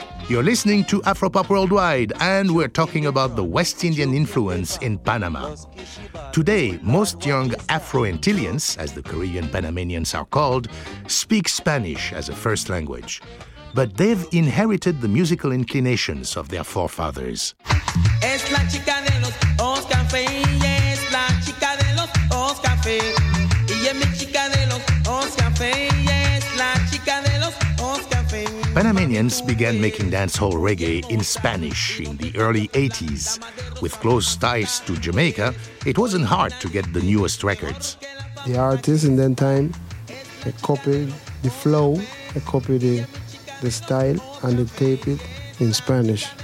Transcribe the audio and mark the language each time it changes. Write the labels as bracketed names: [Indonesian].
[English] You're listening to Afropop Worldwide, and we're talking about the West Indian influence in Panama. Today, most young Afro-Antillians, as the Caribbean Panamanians are called, speak Spanish as a first language. But they've inherited the musical inclinations of their forefathers. [Spanish] Es la chica de los ojos café, es la chica de los ojos café, y es mi chica de los ojos café, es la chica de los ojos café. [English] Panamanians began making dancehall reggae in Spanish in the early 80s. With close ties to Jamaica, it wasn't hard to get the newest records. The artists in that time, they copied the flow, they copied the style, and they taped it in Spanish.